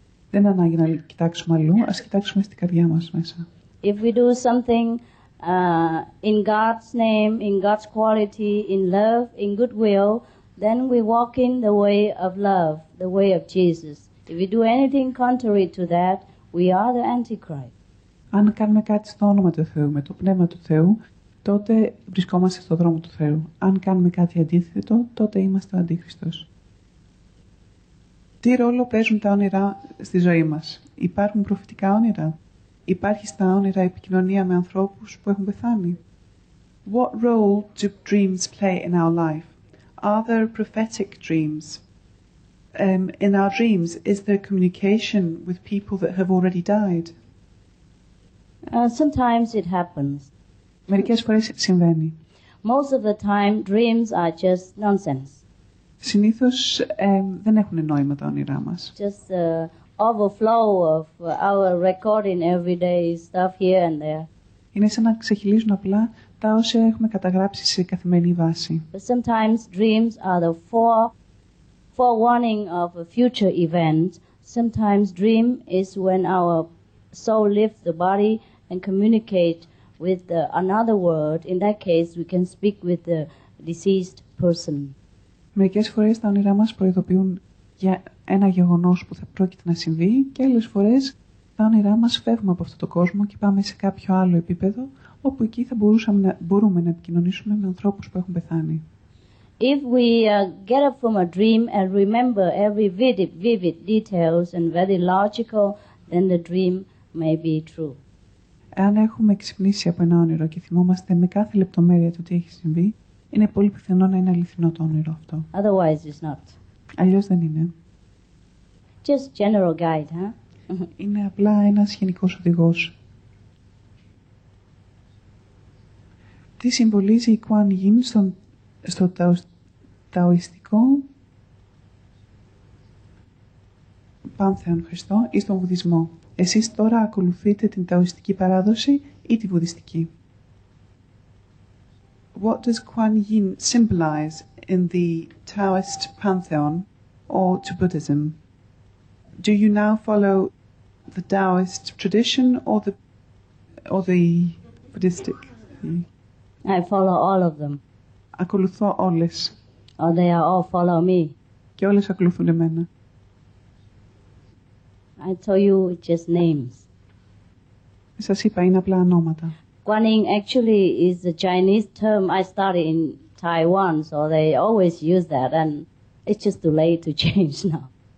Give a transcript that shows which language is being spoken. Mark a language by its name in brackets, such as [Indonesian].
[Greek] Δεν είναι ανάγκη να κοιτάξουμε αλλού, ας κοιτάξουμε στην καρδιά μας μέσα. [English] If we do something in God's name, in God's quality, in love, in goodwill, then we walk in the way of love, the way of Jesus. If we do anything contrary to that, we are the Antichrist. [Greek] Αν κάνουμε κάτι στο όνομα του Θεού, με το πνεύμα του Θεού, τότε βρισκόμαστε στο δρόμο του Θεού. Αν κάνουμε κάτι αντίθετο, τότε είμαστε ο Αντίχριστος. Τι ρόλο παίζουν τα όνειρα στη ζωή μας? Υπάρχουν προφητικά όνειρα? Υπάρχει στα όνειρα επικοινωνία με ανθρώπους που έχουν πεθάνει? [English] What role do dreams play in our life? Are there prophetic dreams? In our dreams, is there communication with people that have already died? Sometimes it happens. [Greek] Μερικές φορές συμβαίνει. [English] Most of the time, dreams are just nonsense. [Greek] Συνήθως δεν έχουν νόημα τα όνειρά μας. [English] Just overflow of our recording every day stuff here and there. [Greek] Είναι σαν να ξεχυλίζουν απλά τα όσα έχουμε καταγράψει σε καθημερινή βάση. [English] But sometimes dreams are the forewarning of a future event. Sometimes dream is when our soul leaves the body and communicate with another world. In that case, we can speak with the deceased person. [Greek] Μερικές φορές τα όνειρά μας προειδοποιούν για ένα γεγονός που θα πρόκειται να συμβεί και άλλες φορές τα όνειρά μας φεύγουμε από αυτό το κόσμο και πάμε σε κάποιο άλλο επίπεδο όπου εκεί θα μπορούμε να επικοινωνήσουμε με ανθρώπους που έχουν πεθάνει. [English] If we get up from a dream and remember every vivid details and very logical, then the dream may be true. [Greek] Αν έχουμε ξυπνήσει από ένα όνειρο και θυμόμαστε με κάθε λεπτομέρεια το τι έχει συμβεί, είναι πολύ πιθανό να είναι αληθινό το όνειρο αυτό. [English] Otherwise it's not. [Greek] Αλλιώς δεν είναι. [English] Just general guide, huh? [Greek] Είναι απλά ένας γενικός οδηγός. Τι συμβολίζει η Κουάν Γιν στο ταοιστικό πάνθεον Χριστό ή στον βουδισμό. Εσείς τώρα ακολουθείτε την ταοιστική παράδοση ή τη βουδιστική. [English] What does Kuan Yin symbolize in the Taoist pantheon or to Buddhism? Do you now follow the Taoist tradition or the Buddhistic? I follow all of them. [Greek] Ακολουθώ όλες. [English] Or they are all follow me. [Greek] Και όλες ακολουθούν εμένα. [English] I told you it's just names. [Greek] Σας είπα, είναι απλά ονόματα. [English] Kuan Yin actually is a Chinese term I studied in Taiwan, so they always use that, and it's just too late to change now.